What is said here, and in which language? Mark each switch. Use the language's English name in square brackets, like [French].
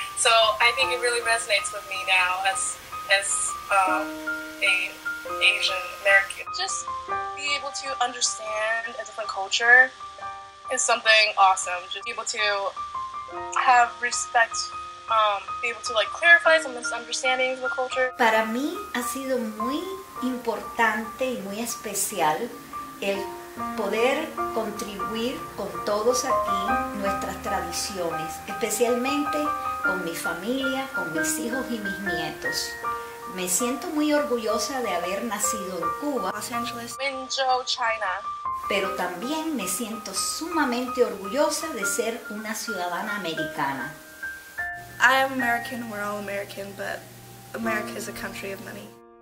[English] So I think it really resonates with me now as an Asian American. Just be able to understand a different culture is something awesome. Just be able to have respect. Be able to like clarify some misunderstandings of the culture. [Spanish] Para mí ha sido muy importante y muy especial el poder contribuir con todos aquí nuestras tradiciones, especialmente con mi familia, con mis hijos y mis nietos. Me siento muy orgullosa de haber nacido en Cuba, Los Angeles, Guangzhou, China. Pero también me siento sumamente orgullosa de ser una ciudadana americana. [English] I am American, we're all American, but America is a country of many.